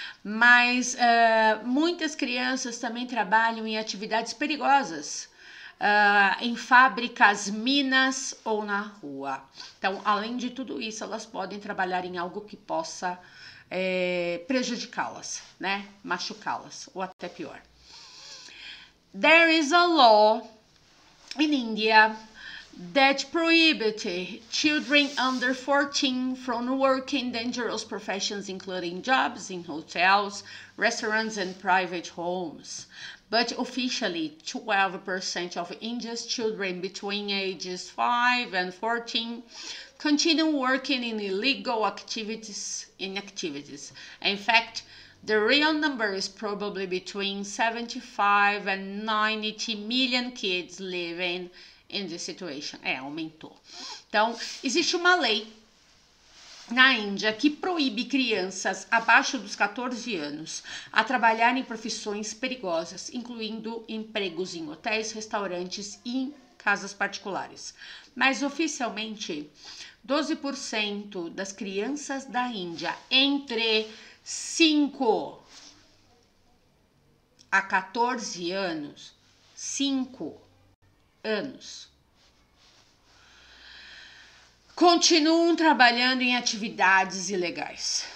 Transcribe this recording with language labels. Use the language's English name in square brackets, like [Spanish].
[Portuguese] Mas muitas crianças também trabalham em atividades perigosas. Em fábricas, minas ou na rua. Então, além de tudo isso, elas podem trabalhar em algo que possa prejudicá-las, né? Machucá-las ou até pior. [English] There is a law in India that prohibits children under 14 from working dangerous professions, including jobs in hotels, restaurants and private homes. But officially, 12% of India's children between ages 5 and 14 continue working in illegal activities. In fact, the real number is probably between 75 and 90 million kids living in this situation. [Portuguese] Aumentou. Então, existe uma lei na Índia que proíbe crianças abaixo dos 14 anos a trabalharem em profissões perigosas, incluindo empregos em hotéis, restaurantes e em casas particulares. Mas oficialmente, 12% das crianças da Índia entre 5 a 14 anos, 5 anos, continuam trabalhando em atividades ilegais.